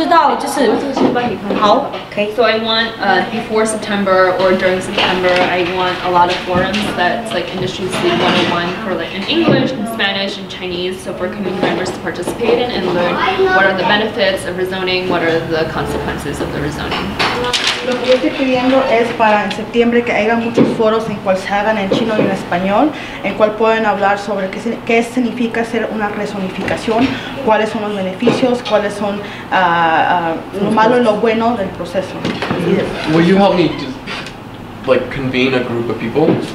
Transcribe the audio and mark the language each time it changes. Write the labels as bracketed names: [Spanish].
[Chinese] 这样发生在我们，让更多人参与进来，这是我个人。然后我不知道，就是好，可以。 [English] So I want before September or during September, I want a lot of forums that's like industry city 101 for like in English, in Spanish, and Chinese, so for community members to participate in and learn what are the benefits of rezoning, what are the consequences of the rezoning. [Spanish] Lo que yo estoy pidiendo es para en septiembre que haya muchos foros en cual se hagan en chino y en español, en cual pueden hablar sobre qué significa hacer una rezonificación, cuáles son los beneficios, cuáles son lo malo y lo bueno del proceso. [English] Will you help me to like convene a group of people?